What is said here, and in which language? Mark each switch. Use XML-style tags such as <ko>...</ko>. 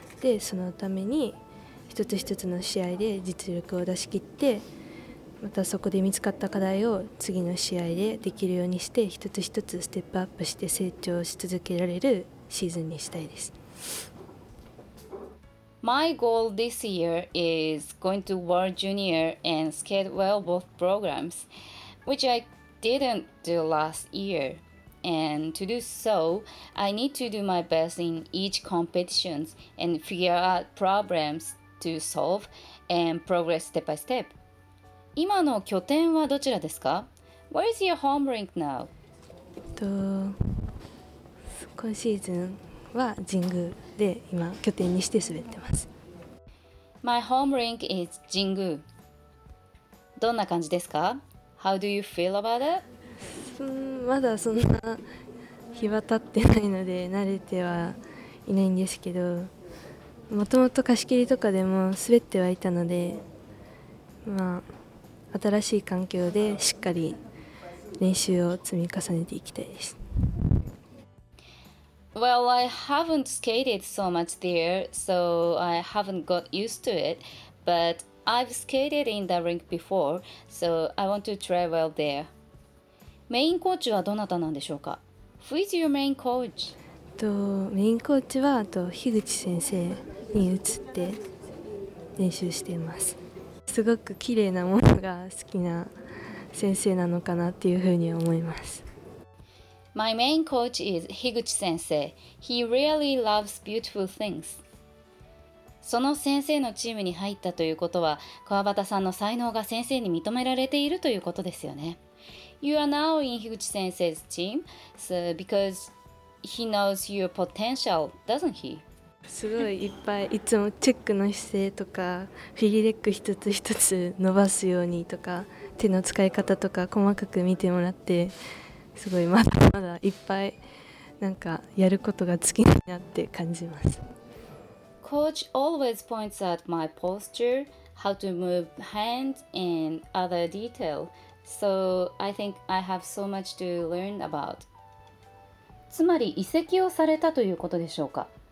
<ja>で、そのために一つ一つの試合で実力を出し切って、またそこで見つかった課題を次の試合でできるようにして、一つ一つステップアップして成長し続けられるシーズンにしたいです。</ja> <en>My goal this year is going to World Junior and skate well both programs, which IDidn't do last year, and to do so, I need to do my best in each competition and figure out problems to solve and progress step by step.</en> <ja>今の拠点はどちらですか?</ja> <en>Where is your home rink now?</en> <ja>今シーズンは神宮で今拠点にして滑ってます。</ja> <en>My home rink is 神宮。</en> <ja>どんな感じですか?</ja> <en>How do you feel about it?</en> <ja>まだそんな日は経ってないので慣れてはいないんですけど、もともと貸し切りとかでも滑ってはいたので、まあ、新しい環境でしっかり練習を積み重ねていきたいです。</ja> <en>Well, I haven't skated so much there, so I haven't got used to it, but I've skated in the rink before, so I want to try well there.</en> <ja>メインコーチはどなたなんでしょうか?</ja> <en>Who is your main coach?</en> <ja>メインコーチは樋口先生に移って練習しています。すごく綺麗なものが好きな先生なのかなっていうふうに思います。</ja> <en>My main coach is Higuchi sensei. He really loves beautiful things.</en> <ja>その先生のチームに入ったということは、桑畑さんの才能が先生に認められているということですよね。</ja> <en>You are now in Higuchi sensei's team, so because he knows your potential, doesn't he?</en> <ja>すごいいっぱいいつもチェックの姿勢とか、フィギレック一つ一つ伸ばすようにとか、手の使い方とか細かく見てもらって、すごいまだまだいっぱいなんかやることが尽きないなって感じます。</ja> <en>Coach always points at my posture, how to move hands and other detail. So I think I have so much to learn about.</en> <ja>つまり移籍をされたということでしょうか。</ja>